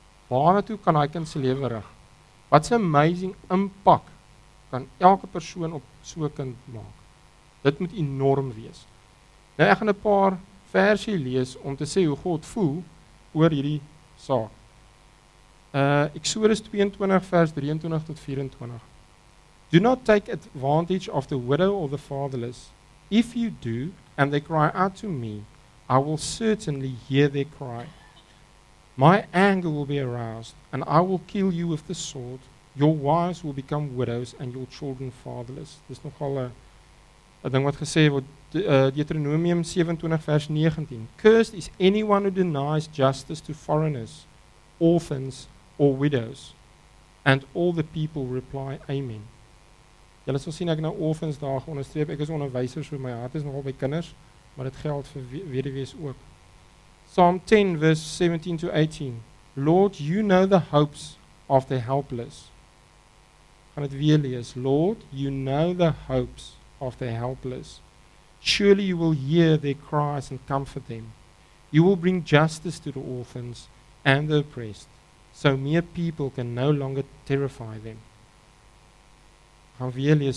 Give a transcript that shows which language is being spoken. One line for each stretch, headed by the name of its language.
Afrikaans: Waarna toe kan daai kind se lewe rig? Wat 'n amazing impak kan elke persoon op so 'n kind maak? Dit moet enorm wees. Nou, ek gaan 'n paar versie lees om te sê hoe God voel oor hierdie saak. Exodus 22 vers 23 tot 24.
English: Do not take advantage of the widow or the fatherless. If you do, and they cry out to me, I will certainly hear their cry. My anger will be aroused, and I will kill you with the sword. Your wives will become widows, and your children fatherless.
Afrikaans: Dit is nogal a ding wat gesê word, Deuteronomium 27 vers 19.
English: Cursed is anyone who denies justice to foreigners, orphans, or widows. And all the people reply, Amen.
Afrikaans: Julle sal sien ek nou orphans daar onderstreep, ek is onderwyser, so my hart is nogal by kinders. maar dit geld vir weduwees ook.
English: Psalm 10 verse 17 to 18. Lord, you know the hopes of the helpless.
Afrikaans: Gaan dit weer lees.
English: Lord, you know the hopes of the helpless. Surely you will hear their cries and comfort them. You will bring justice to the orphans and the oppressed, so mere people can no longer terrify them.
Afrikaans: Gaan weer lees.